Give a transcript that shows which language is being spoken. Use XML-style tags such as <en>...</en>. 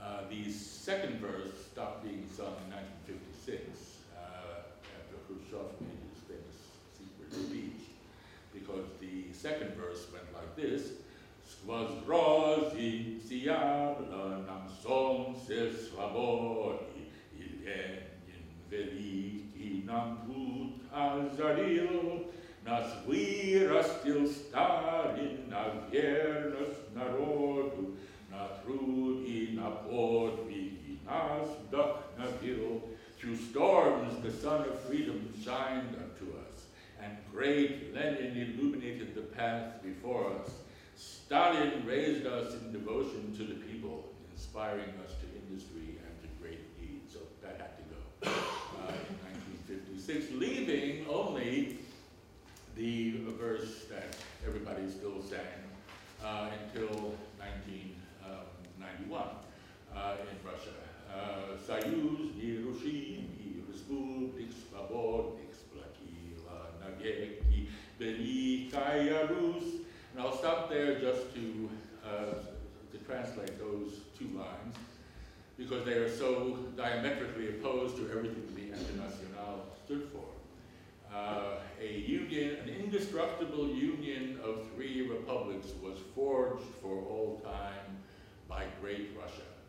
<en>The second verse stopped being sung in 1956 after Khrushchev made his famous secret speech, because the second verse went like this:</en> <ru>Skvozdrozhi siyabla nam solnce svobody, I Lenin veliki nam put azaril. Нас вырастил Сталин на верность народу, на труд и на подвиг, и нас вдохновил.</ru> <en>Through storms the sun of freedom shined unto us, and great Lenin illuminated the path before us. Stalin raised us in devotion to the people, inspiring us to industry and to great deeds. So that had to go in 1956, leaving only the verse that everybody still sang until 1991 in Russia.</en> <ru>Союз нерушимый, республик свободных, сплотила навеки великая Русь.</ru> <en>And I'll stop there just to translate those two lines, because they are so diametrically opposed to everything the Internationale stood for. A union, an indestructible union of three republics was forged for all time by great Russia.</en>